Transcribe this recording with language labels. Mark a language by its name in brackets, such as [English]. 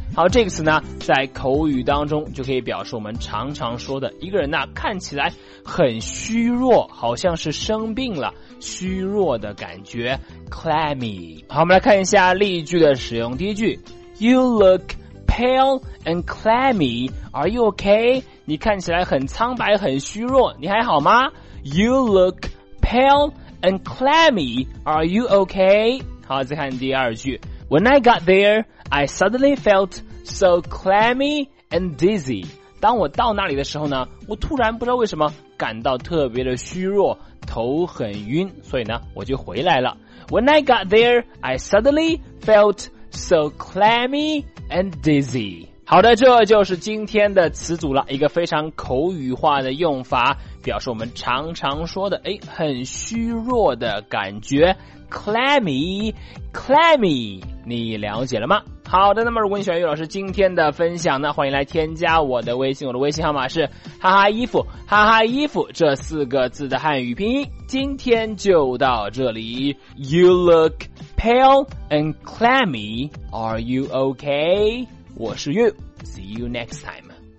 [Chinese] 好，这个词呢在口语当中就可以表示我们常常说的一个人呢看起来很虚弱，好像是生病了，虚弱的感觉， clammy。好，我们来看一下例句的使用。第一句， [English] You look pale and clammy, are you okay? [Chinese] 你看起来很苍白，很虚弱，你还好吗？ [English] You look pale and clammy, are you okay? [Chinese] 好，再看第二句。 [English] When I got there, I suddenly felt so clammy and dizzy. [Chinese] 当我到那里的时候呢，我突然不知道为什么感到特别的虚弱，头很晕，所以呢，我就回来了。 [English] When I got there, I suddenly felt so clammy and dizzy。 [Chinese] 好的，这就是今天的词组了，一个非常口语化的用法，表示我们常常说的诶很虚弱的感觉， clammy clammy， 你了解了吗？好的，那么如果你喜欢于老师今天的分享呢，欢迎来添加我的微信，我的微信号码是哈哈衣服，哈哈衣服这四个字的汉语拼音。今天就到这里， [English] You look pale and clammy, are you okay? [Chinese] 我是 [English] You, see you next time.